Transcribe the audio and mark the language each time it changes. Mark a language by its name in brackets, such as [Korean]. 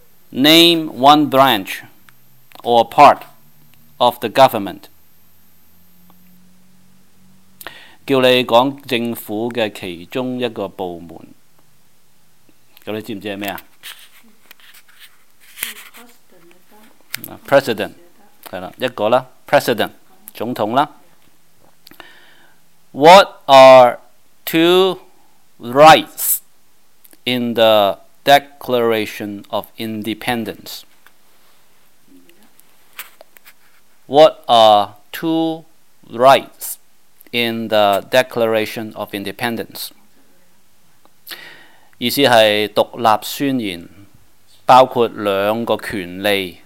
[English] Name one branch or part of the government. [Cantonese] 叫你講政府嘅其中一個部門。咁你知唔知係咩啊？ President 係啦，一個啦 ，President 總統啦。 [English] What are two rights in the Declaration of Independence? What are two rights in the Declaration of Independence? [Cantonese] 意思係獨立宣言，包括兩個權利。